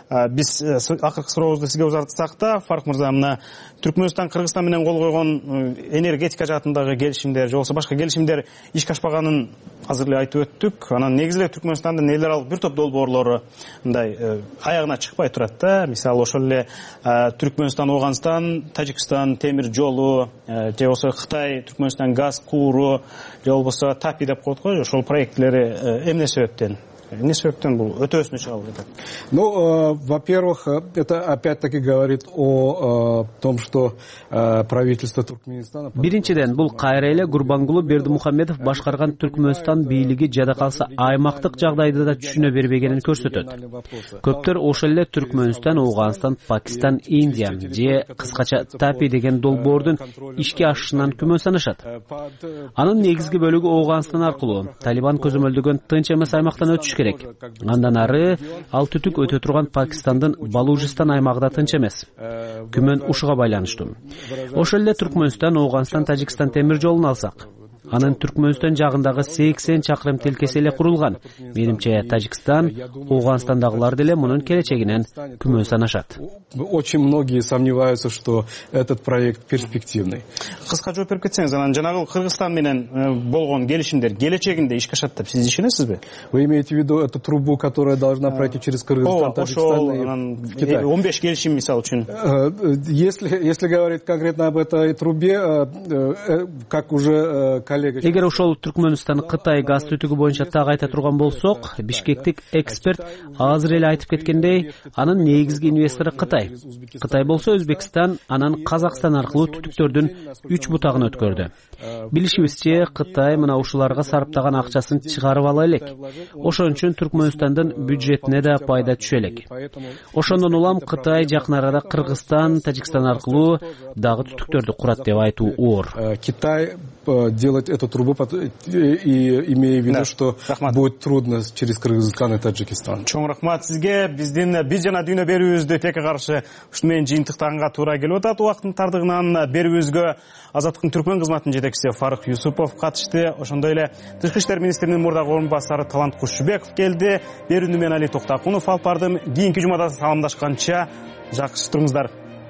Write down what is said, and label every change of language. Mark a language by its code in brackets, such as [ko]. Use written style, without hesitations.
[ky] Биз акыркы сурообузду сизге узартсак да, Фарук мырза, мына Түркмөнстан Кыргызстан менен кол койгон энергетика жаатындагы келишимдер же болбосо башка келишимдер ишке ашпаганын азыр эле айтып өттүк, анан негизи эле Түркмөнстандын эл аралык бир топ долбоорлору мындай аягына чыкпай турат да. Мисалы ошол эле Түркмөнстан Ооганстан, Тажикстан темир жолу, же болбосо Кытай Түркмөнстан газ кууру, же болбосо ТАПИ деп коетго, ошол проектилери эмне себептен? Эмне себептен бул өтө өсүнө чыгып атат? [ru] Ну, во-первых, это опять-таки говорит о том, что правительство Туркменистана. [ky] Биринчиден, бул кайра эле Гурбангулу Бердимухамедов башкарган Түркмөнстан бийлиги жада калса аймактык жагдайды да түшүнө бербегенин көрсөтөт. Көптөр ошол эле Түркмөнстан, Ооганстан, Пакистан, Индия же кыскача ТАПИ деген долбоордун ишке ашышынан күмөнсанышат. Анын негизги бөлүгү Ооганстан аркылуу Талибан көзөмөлдөгөн тынч эмес аймактан түшүш керек. Андан ары ал түтүк өтө турган Пакистандын Балужистан аймагы да тынч эмес. Күмөн ушуга байланыштуу. Ошол эле Түркмөнстан, Ооганстан, Тажикстан темир жолун алсак, анын Түркмөнстан жагындагы 80 чакырым тилкеси эле курулган. Менимче Тажикстан, Ооганстандагылар деле мунун келечегинен күмөн санашат. [ru] Очень многие сомневаются, что этот проект перспективный. [ky] Кыска жооп берип кетсеңиз, анан жанагы Кыргызстан менен болгон келишимдер келечегинде ишке ашат деп сиз ишенесизби? [ru] Вы имеете в виду эту трубу, которая должна пройти через Кыргызстан, Тажикстан и Китай? [ky] 15 келишим мисалы үчүн. [ru] Если говорить конкретно об этой трубе, как уже коллеги [ky] Эгер ошол Түркмөнстан Кытай газ түтүгү боюнча так айта турган болсок, Бишкектик эксперт азыр эле айтып кеткендей, анын негизги инвестору Кытай. Кытай болсо Өзбекстан, анан Казакстан аркылуу түтүктөрдүн 3 бутагын өткөрдү. Билишибизче, Кытай мына ушуларга сарптаган акчасын чыгарып ала элек. Ошон үчүн Түркмөнстандын бюджетине да пайда түшө элек. Ошондон улам Кытай жакын арада Кыргызстан, Тажикстан аркылуу дагы түтүктөрдү курат деп айтуу оор. [ru] Китай делать эту трубу и имея в виду, что будет трудно через Кыргызстан и Таджикистан. [ky] Чоң рахмат сизге. Биздин биз жана дүйнө берүүбүздү теке каршы ушул менен жыйынтыктаганга туура келип атат. Убакыттын тардыгынан берүүбүзгө Азаттыктын түркмөн кызматынын жетекчиси Фарык Юсупов катышты. Ошондой эле Тышкы иштер министринин мурдагы орун басары Талант Кушубеков келди. Берүүнү мен Али Токтокунов алып бардым. Кийинки жумада саламдашканча жакшы туруңуздар.